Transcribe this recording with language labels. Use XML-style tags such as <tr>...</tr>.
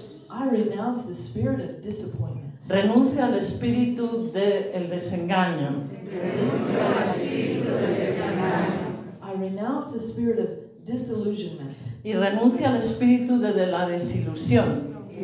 <en>I renounce the spirit of disappointment.</en> <es>Renuncio al espíritu del desengaño. Renuncio al espíritu del desengaño.</es> <en>I renounce the spirit of disillusionment.</en> <es>Y renuncio al espíritu de la desilusión.</es>